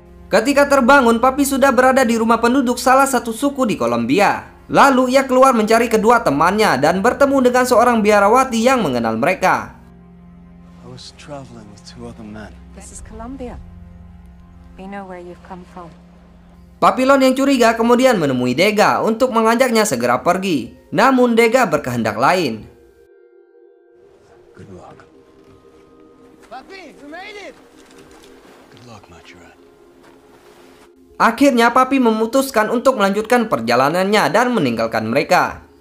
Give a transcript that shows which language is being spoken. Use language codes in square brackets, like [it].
[id] Ketika terbangun, Papi sudah berada di rumah penduduk salah satu suku di Kolombia. Lalu ia keluar mencari kedua temannya dan bertemu dengan seorang biarawati yang mengenal mereka. [en] I was traveling with two other men. This is Colombia. We know where you've come from. [id] Papillon yang curiga kemudian menemui Dega untuk mengajaknya segera pergi. Namun Dega berkehendak lain. [en] Good luck. Papi, we made it. Good luck, Maturin. [id] Akhirnya Papi memutuskan untuk melanjutkan perjalanannya dan meninggalkan mereka.